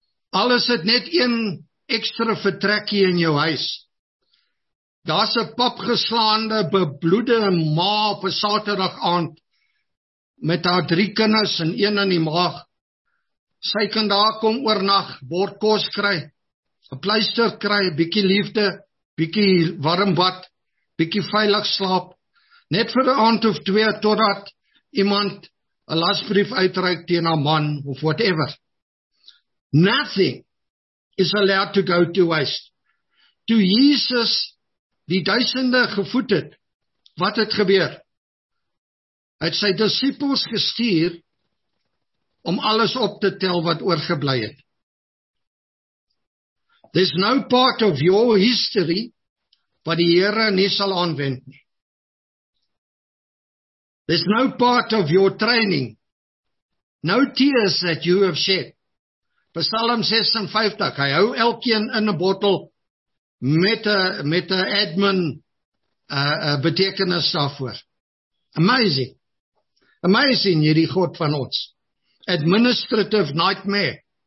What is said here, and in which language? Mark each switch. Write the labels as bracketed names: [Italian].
[Afrikaans] Al is het net een ekstra vertrekkie in jou huis. Daar's 'n papgeslaande, bebloede ma op 'n Saterdag aand met haar 3 kinders en 1 in die maag. Sy kan daar kom oornag, bord kos kry, 'n pleister kry, 'n bietjie liefde, bietjie warm bad, bietjie veilig slaap. Net vir 'n aand of 2 totdat iemand 'n lasbrief uitreik teen haar man of whatever. [English] Nothing is allowed to go to waste. [Afrikaans] Toe Jesus die duisende gevoed het, wat het gebeur? Hy het sy disippels gestuur om alles op te tel wat oorgebly het. [English] There's no part of your history [Afrikaans] wat die Here nie sal aanwend nie. [English] There's no part of your training, no tears that you have shed, [Afrikaans] Psalm 56, hy hou elkeen in 'n bottel met 'n admin betekenis daarvoor. Amazing hierdie God van ons. [English] Administrative nightmare.